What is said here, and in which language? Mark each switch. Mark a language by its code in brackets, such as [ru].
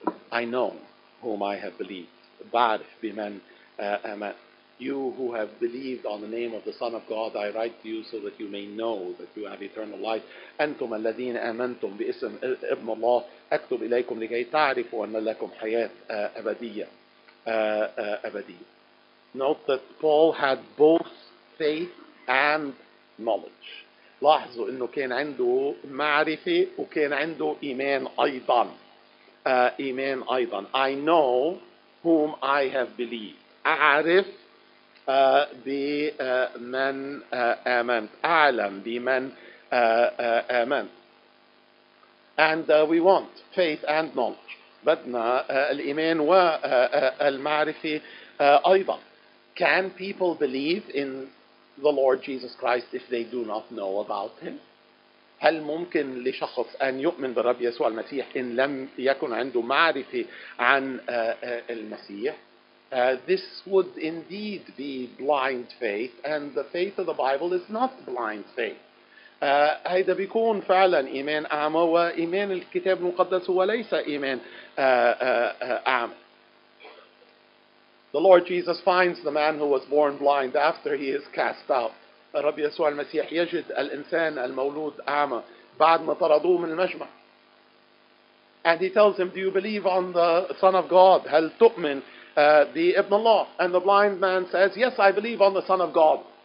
[en] I know whom I have believed. [ar] بعرف بمن آمن. [en] You who have believed on the name of the Son of God, I write to you so that you may know that you have eternal life. [ar] أنتم الذين آمنتم باسم ابن الله أكتب إليكم لكي تعرفوا أن لكم حياة أبدية. أبدية. [en] Note that Paul had both faith and knowledge. [ar] لاحظوا انه كان عنده معرفة وكان عنده ايمان ايضا. ايمان ايضا. [en] I know whom I have believed. [ar] اعرف بمن امنت. اعلم بمن امنت. [en] And we want faith and knowledge. [ar] بدنا الايمان والمعرفة ايضا. [en] Can people believe in the Lord Jesus Christ if they do not know about him? [ar] هل ممكن لشخص ان يؤمن بالرب يسوع المسيح ان لم يكن عنده معرفة عن المسيح؟ [en] This would indeed be blind faith, and the faith of the Bible is not blind faith. [ar] هيدا بيكون فعلا إيمان أعمى وإيمان الكتاب المقدس هو ليس إيمان أعمى. [en] The Lord Jesus finds the man who was born blind after he is cast out. [ar] الرب يسوع المسيح يجد الإنسان المولود أعمى بعد ما طردوه من المجمع. [en] And he tells him, do you believe on the Son of God? [ar] هل تؤمن بابن الله? [en] And the blind man says, yes, I believe on the Son of God.